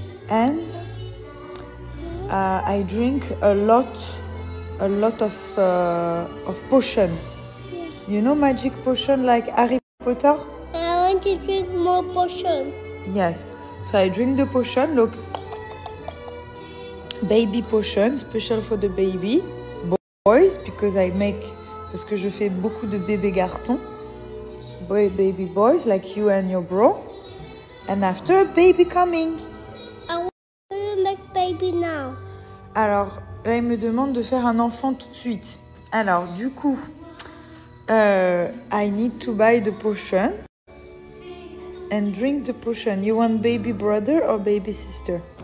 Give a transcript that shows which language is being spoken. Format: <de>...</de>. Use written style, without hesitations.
<en>And I drink a lot of potion. You know magic potion like Harry Potter? I want to drink more potion. Yes. So I drink the potion, look. Baby potion, special for the baby. Boys, because I make.</en> <fr>Parce que je fais beaucoup de bébés garçons.</fr> <en>Boy, baby boys, like you and your bro. And after, baby coming. To make baby now.</en> <fr>Alors, là, il me demande de faire un enfant tout de suite. Alors, du coup.</fr> <en>I need to buy the potion and drink the potion. You want baby brother or baby sister?</en>